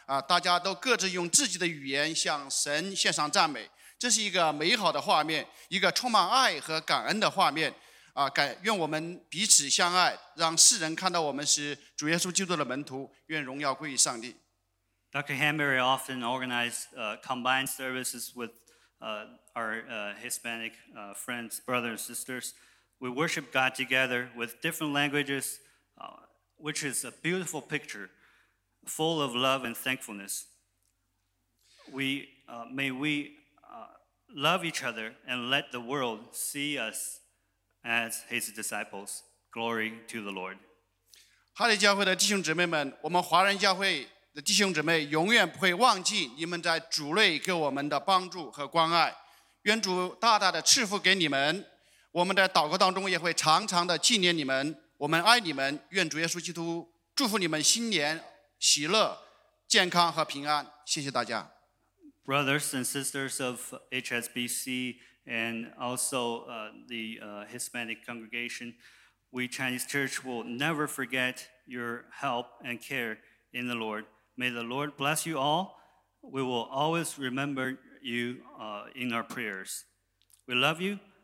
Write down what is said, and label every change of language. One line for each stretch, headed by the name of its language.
Chinese: 大家都各自用自己的语言向神献上赞美，这是一个美好的画面，一个充满爱和感恩的画面。愿我们彼此相爱，让世人看到我们是主耶稣基督的门徒，愿荣耀归于上帝。
English: Dr. Hanbury often organized combined services with our Hispanic friends, brothers and sisters. We worship God together with different languages, which is a beautiful pictureFull of love and thankfulness. May we love each other and let the world see us as his disciples. Glory to the Lord.
Chinese: 哈利教会的弟兄姊妹们，我们华人教会的弟兄姊妹永远不会忘记你们在主内给我们的帮助和关爱。愿主大大的赐福给你们。我们在祷告当中也会常常的纪念你们。我们爱你们。愿主耶稣基督祝福你们新年。喜乐、健康和平安，谢谢大家。
English: Brothers and sisters of HSBC and also Hispanic congregation, we Chinese Church will never forget your help and care in the Lord. May the Lord bless you all. We will always remember you in our prayers. We love you.